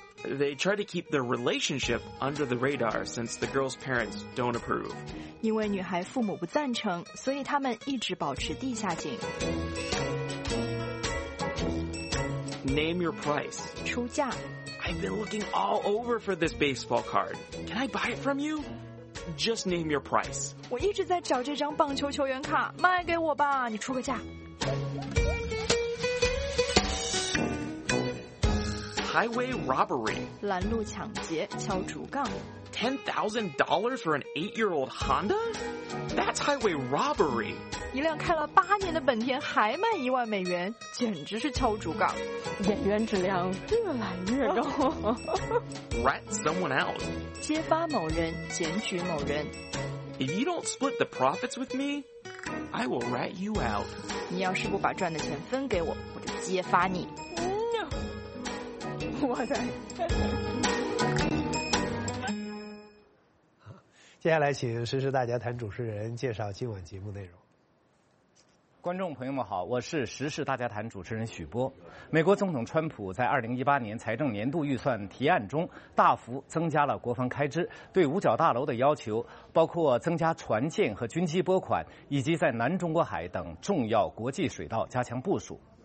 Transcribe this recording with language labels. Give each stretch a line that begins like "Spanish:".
English: They try to keep their relationship under the radar since the girl's parents don't approve.
Chinese: 因为女孩父母不赞成，所以他们一直保持地下紧。
English: Name your price.
Chinese: 出价。
English: I've been looking all over for this baseball card. Can I buy it from you? Just name your price.
Chinese: 我一直在找这张棒球球员卡，卖给我吧，你出个价。
English: Highway robbery.
Chinese: 拦路抢劫，敲竹杠。
English: $10,000 for an 8-year-old Honda? That's highway robbery.
Chinese: 一辆开了八年的本田还卖一万美元，简直是敲竹杠。演员质量越来越高。
English: Rat someone out.
Chinese: 揭发某人，检举某人。
English: If you don't split the profits with me, I will rat you out.
Chinese: 你要是不把赚的钱分给我，我就揭发你。
English: No.
Chinese: 我的。接下来请时事大家谈主持人介绍今晚节目内容。观众朋友们好，我是时事大家谈主持人许波。美国总统川普在2018年财政年度预算提案中大幅增加了国防开支，对五角大楼的要求包括增加船舰和军机拨款，以及在南中国海等重要国际水道加强部署。